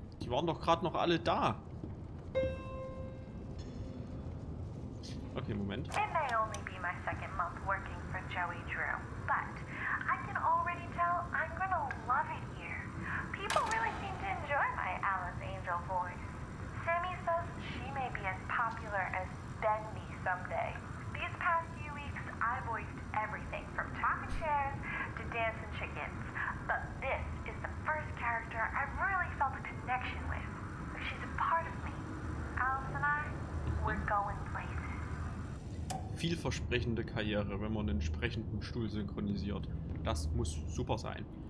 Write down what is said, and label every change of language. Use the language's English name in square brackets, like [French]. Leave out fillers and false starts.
[German] Waren doch gerade noch alle da. Okay, Moment. [English] It may only be my second month working for Joey Drew, but I can already tell I'm gonna love it here. People really seem to enjoy my Alice Angel voice. Sammy says she may be as popular as Bendy someday. These past few weeks I voiced everything from talking chairs to dancing chickens, but this is the first character I've really felt a connection with. She's a part of me. Alice and I, we're going places. [German] vielversprechende Karriere, wenn man entsprechend einen Stuhl synchronisiert. Das muss super sein.